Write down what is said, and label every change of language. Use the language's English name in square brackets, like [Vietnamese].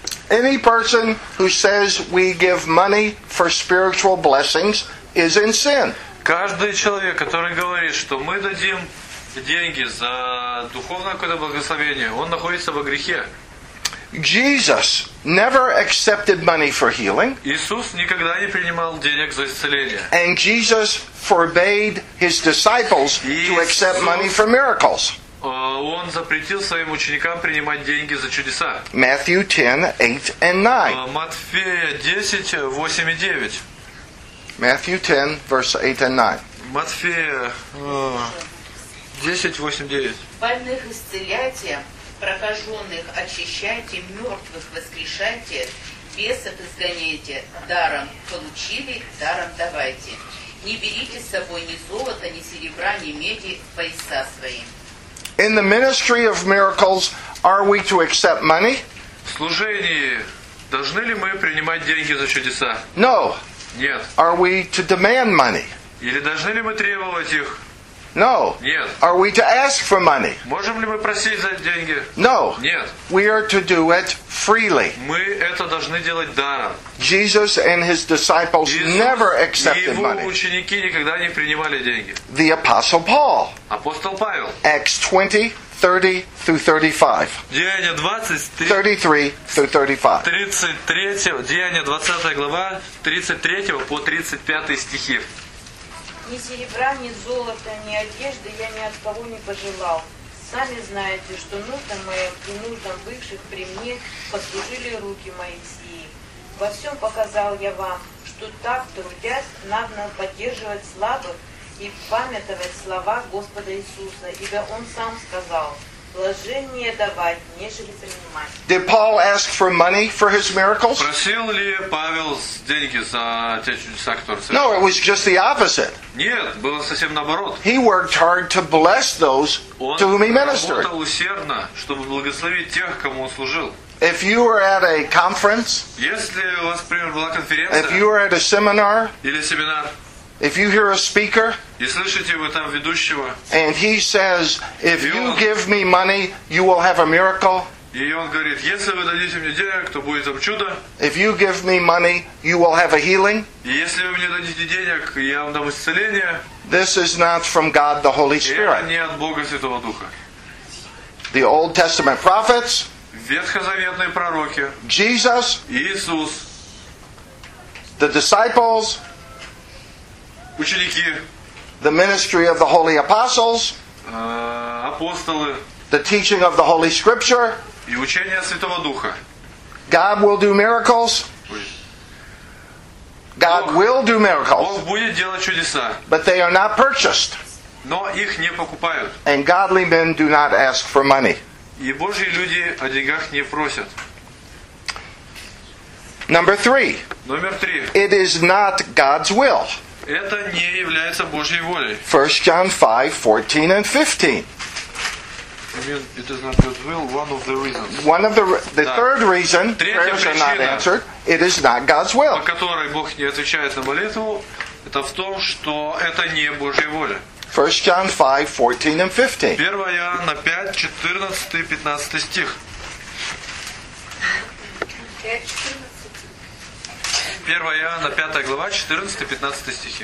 [English] Any person who says we give money for spiritual blessings is in sin. [Russian] Каждый человек, который говорит, что мы дадим деньги за духовное какое-то благословение, он находится во грехе. [English] Jesus never accepted money for healing. [Russian] Иисус никогда не принимал денег за исцеление. [English] And Jesus forbade his disciples to accept money for miracles. [Russian] Он запретил своим ученикам принимать деньги за чудеса. [English] Matthew 10, 8 and 9. [Russian] Матфея 10, 8 и 9. [English] Matthew 10, verse 8 and 9. [Russian] Матфея 10, 8, 9. Больных исцеляйте, прокаженных очищайте, мертвых воскрешайте, бесов изгоняйте, даром получили, даром давайте. Не берите с собой ни золота, ни серебра, ни меди, пояса свои. [English] In the ministry of miracles, are we to accept money? [Russian] В служении должны ли мы принимать деньги за чудеса? [English] No. [Russian] Нет. [English] Are we to demand money? [Russian] Или должны ли мы требовать их? [English] No. [Russian] Нет. [English] Are we to ask for money? [Russian] Можем ли мы просить за деньги? [English] No. [Russian] Нет. [English] We are to do it freely. [Russian] Мы это должны делать даром. [English] Jesus and his disciples never accepted money. [Russian] Его ученики никогда не принимали деньги. [English] The Apostle Paul. [Russian] Апостол Павел. [English] Acts 20, 30 through 35. [Russian] Деяния 20, [English] 33 through 35. [Russian] Деяния 20 глава, 33 по 35 стихи. Ни серебра, ни золота, ни одежды я ни от кого не пожелал. Сами знаете, что нуждам моим и нуждам бывших при мне послужили руки мои сии. Во всем показал я вам, что так трудясь, надо поддерживать слабых и памятовать слова Господа Иисуса, ибо Он сам сказал: блаженнее давать, нежели принимать. [English] Did Paul ask for money for his miracles? [Russian] Просил ли Павел деньги за те чудеса, которые совершил? [English] No, it was just the opposite. [Russian] Нет, было совсем наоборот. [English] He worked hard to bless those to whom he ministered. [Russian] Он работал усердно, чтобы благословить тех, кому он служил. [English] If you were at a conference, [Russian] если у вас, например, была конференция, [English] if you were at a seminar, [Russian] или семинар, [English] if you hear a speaker, [Russian] и слышите вы там ведущего, [English] and he says, if you give me money, you will have a miracle. [Russian] И он говорит, если вы дадите мне денег, то будет вам чудо. [English] If you give me money, you will have a healing. [Russian] И если вы мне дадите денег, я вам дам исцеление. [English] This is not from God the Holy Spirit. [Russian] Это не от Бога Святого Духа. [English] The Old Testament prophets. [Russian] Ветхозаветные пророки. [English] Jesus. [Russian] Иисус. [English] The disciples. [Russian] Ученики. [English] The ministry of the holy apostles. [Russian] Апостолы. [English] The teaching of the Holy Scripture. [Russian] И учение Святого Духа. [English] God will do miracles. God will do miracles. [Russian] Бог будет делать чудеса. [English] But they are not purchased. [Russian] Но их не покупают. [English] And godly men do not ask for money. [Russian] И Божьи люди о деньгах не просят. [English] Number three. [Russian] Номер три. [English] It is not God's will. [Russian] Это не является Божьей волей. [English] 1 John 5, 14 and 15. It is not God's will, one of the reasons. One of the [Russian] да. [English] Third reason, [Russian] третья [English] prayers [Russian] причина, [English] are not answered, it is not God's will. [Russian] По которой Бог не отвечает на молитву, это в том, что это не Божья воля. [English] 1 John 5, 14 and 15. [Russian] 1 Иоанна 5, 14 и 15 стих. 1 Иоанна 5 глава, 14 и 15 стихи.